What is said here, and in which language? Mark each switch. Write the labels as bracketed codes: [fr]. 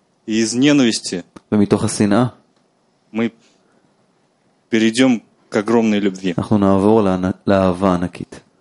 [ru] И из ненависти. [he] ומתוך השנאה. [ru] Мы перейдем к огромной любви. [he] אנחנו נעבור לאהבה ענקית.